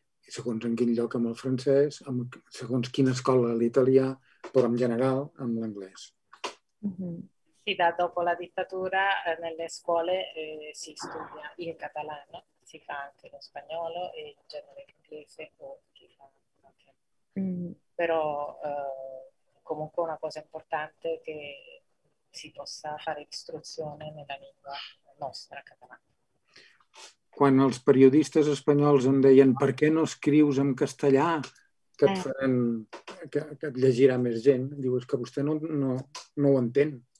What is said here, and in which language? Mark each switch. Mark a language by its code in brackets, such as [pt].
[ca] I segons en quin lloc, amb el francès, segons quina escola, l'italià, però en general amb l'anglès. [it] Sì, da dopo la dittatura nelle scuole si studia il catalano, si fa anche lo spagnolo e in genere l'inglese o chi fa anche. Però comunque una cosa importante è che si possa fare istruzione nella lingua nostra, catalana. [ca] Quan els periodistes espanyols em deien per què no escrius en castellà que et faran, que et llegirà més gent, diu, és que vostè no ho entén.